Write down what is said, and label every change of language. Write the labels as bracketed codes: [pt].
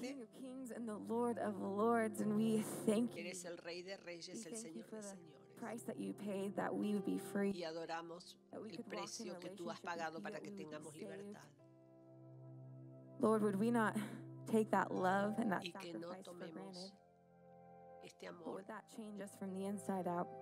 [en] King of kings and the Lord of lords, and we thank you. [es] Eres el Rey de Reyes, el Señor de Señores. [en] Price that you paid that we would be free. [es] Y adoramos el precio que tú has pagado para que tengamos libertad. [en] Lord, would we not take that love and that sacrifice for granted? [es] Este amor, [en] would that change us from the inside out?